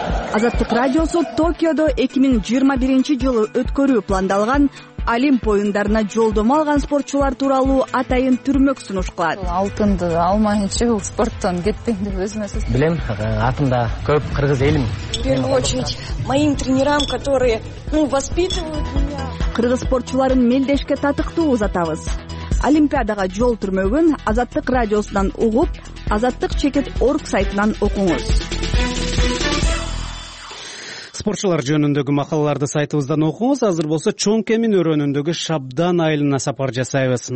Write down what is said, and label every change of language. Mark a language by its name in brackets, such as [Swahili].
[Kyrgyz] Азаттык радиосу Токиодо 2021 жылы өткөрүү пландалган Олимп оюндарына жолдомо алган спортчулар тууралуу атайын түрмөк сунуш кылат. Алтынды алмайынча бул спорттон кеттиң деп өзүмө сөз. Билем, атымда көп кыргыз элим. [Russian] В первую очередь моим тренерам, которые, воспитывают меня. [Kyrgyz] Кыргыз спортчуларын мелдешке татыктуу узатабыз. Олимпиадага жол түрмөгүн Азаттык радиосунан угуп, Азаттык чекит орг сайтынан окуңуз. Спортчулар жөнүндөгү макалаларды сайтыбыздан окуңуз. Азыр болсо Чоң Кемин өрөөнүндөгү Шабдан айылына сапар жасайбыз.